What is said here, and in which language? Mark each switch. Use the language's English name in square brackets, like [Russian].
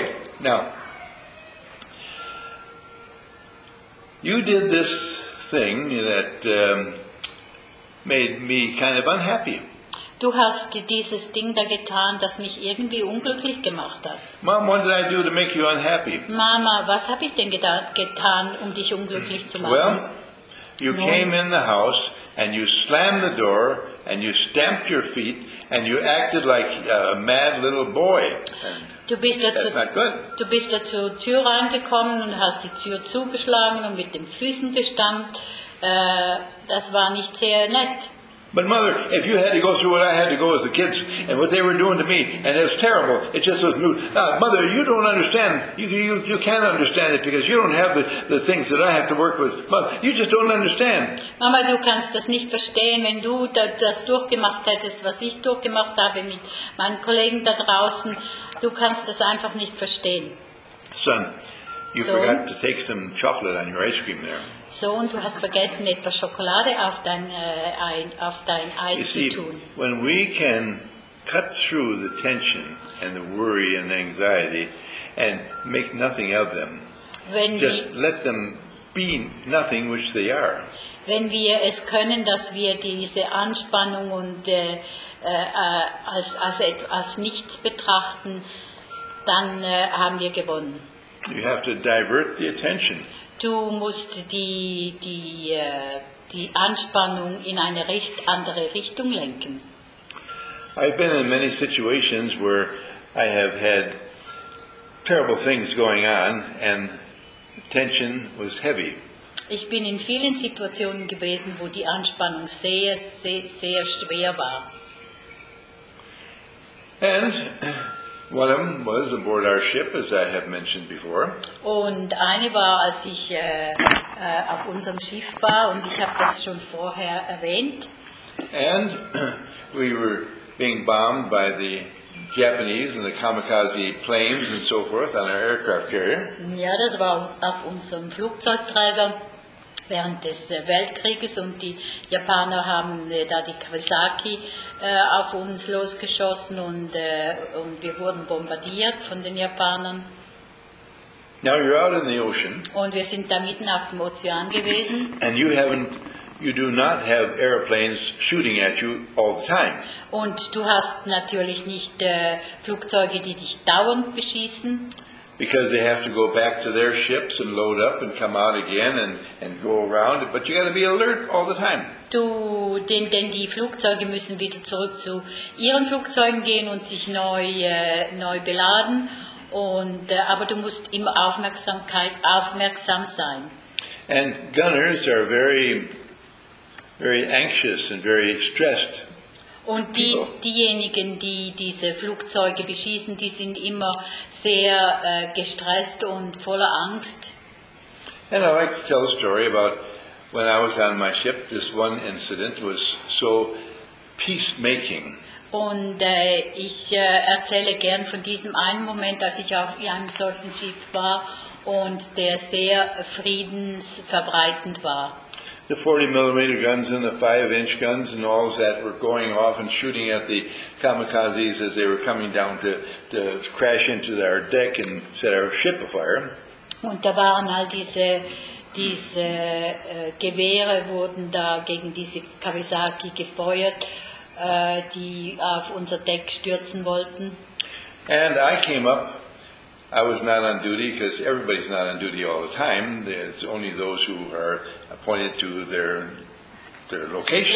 [English] Okay, now you did this thing that made me kind of unhappy. [German] Du hast dieses Ding da getan, das mich irgendwie unglücklich gemacht hat. [English] Mom, what did I do to make you unhappy? [German] Mama, was habe ich denn getan, um dich unglücklich zu machen? [English] Well, you came in the house and you slammed the door and you stamped your feet and you acted like a mad little boy. [German] Du bist da zur Tür reingekommen und hast die Tür zugeschlagen und mit den Füßen gestampft. Das war nicht sehr nett. [English] But mother, if you had to go through what I had to go with the kids and what they were doing to me, and it was terrible, it just was new. Mother, you don't understand. You can't understand it because you don't have the things that I have to work with. Mother, you just don't understand. [German] Mama, du kannst das nicht verstehen, wenn du das durchgemacht hättest, was ich durchgemacht habe mit meinen Kollegen da draußen. Du kannst das einfach nicht verstehen. [English] Son, you forgot to take some chocolate on your ice cream there. [German] Sohn, du hast vergessen, etwas Schokolade auf dein Eis zu tun. [English] When we can cut through the tension and the worry and the anxiety and make nothing of them, let them be nothing which they are. [German] Wenn wir es können, dass wir diese Anspannung und als nichts betrachten, dann haben wir gewonnen. [English] You have to divert the attention. [German] Du musst die Anspannung in eine andere Richtung lenken. [English] I've been in many situations where I have had terrible things going on and tension was heavy. [German] Ich bin in vielen Situationen gewesen, wo die Anspannung sehr, sehr, sehr schwer war. [English] And one of them was aboard our ship, as I have mentioned before. [German] Und eine war, als ich auf unserem Schiff war, und ich habe das schon vorher erwähnt. [English] And we were being bombed by the Japanese and the kamikaze planes and so forth on our aircraft carrier. [German] Ja, das war auf unserem Flugzeugträger während des Weltkrieges, und die Japaner haben da die Kawasaki auf uns losgeschossen, und wir wurden bombardiert von den Japanern. [English] Now you're out in the ocean. [German] Und wir sind da mitten auf dem Ozean gewesen. [English] And you do not have airplanes shooting at you all the time. [German] Und du hast natürlich nicht Flugzeuge, die dich dauernd beschießen. [English] because they have to go back to their ships and load up and come out again and go around. But you got to be alert all the time. [German] Du, denn die Flugzeuge müssen wieder zurück zu ihren Flugzeugen gehen und sich neu beladen. Und aber du musst immer aufmerksam sein. [English] And gunners are very, very anxious and very stressed. [German] Und diejenigen, die diese Flugzeuge beschießen, die sind immer sehr gestresst und voller Angst. [English] And I like to tell a story about when I was on my ship, this one incident was so peacemaking. [German] Und ich erzähle gern von diesem einen Moment, dass ich auf einem solchen Schiff war und der sehr friedensverbreitend war. [English] The 40mm guns and the 5-inch guns and all that were going off and shooting at the kamikazes as they were coming down to crash into our deck and set our ship afire. [German] Und da waren all diese Gewehre wurden da gegen diese Kawasaki gefeuert, die auf unser Deck stürzen wollten. [English] And I came up. I was not on duty because everybody's not on duty all the time. It's only those who are appointed to their location.